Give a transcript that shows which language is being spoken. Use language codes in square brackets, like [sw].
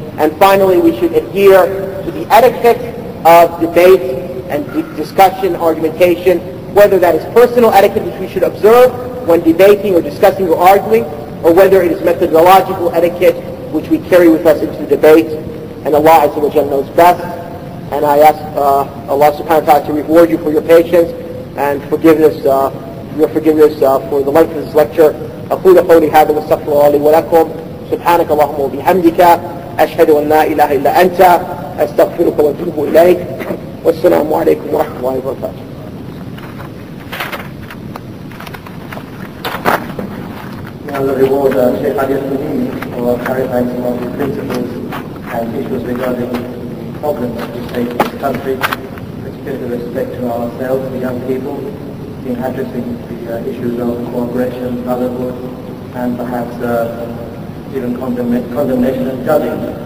[en] And finally, we should adhere to the etiquette of debate and discussion, argumentation, whether that is personal etiquette which we should observe when debating or discussing or arguing, or whether it is methodological etiquette which we carry with us into the debate. And Allah Azza wa Jalla knows best. And I ask Allah subhanahu wa ta'ala to reward you for your patience and forgiveness, your forgiveness for the length of this lecture. [ar] أقول قولي هذا واستغفر الله لي ولكم سبحانك اللهم وبحمدك أشهد أن لا إله إلا أنت أستغفرك وأتوب إليك والسلام عليكم ورحمة الله وبركاته. [en] Now the reward Sheikh Ali Al-Mudin for clarifying some of the principles and issues regarding the problems we face in this country, particularly with respect to ourselves, the young people, in addressing the issues of cooperation, brotherhood, and perhaps even condemnation and judging.